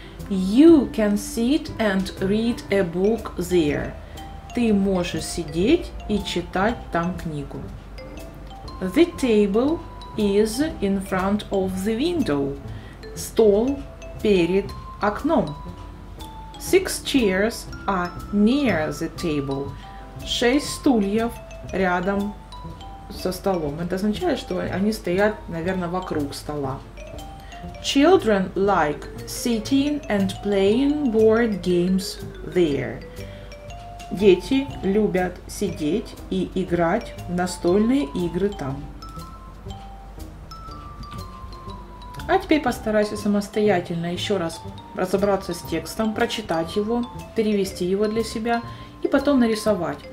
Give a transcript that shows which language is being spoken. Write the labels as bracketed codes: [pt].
[en] You can sit and read a book there. [ru] Ты можешь сидеть и читать там книгу. [en] The table is in front of the window. [ru] Стол перед окном. [en] Six chairs are near the table. [ru] Шесть стульев рядом со столом. Это означает, что они стоят, наверное, вокруг стола. [en] Children like sitting and playing board games there. [ru] Дети любят сидеть и играть в настольные игры там. А теперь постарайся самостоятельно еще раз разобраться с текстом, прочитать его, перевести его для себя и потом нарисовать.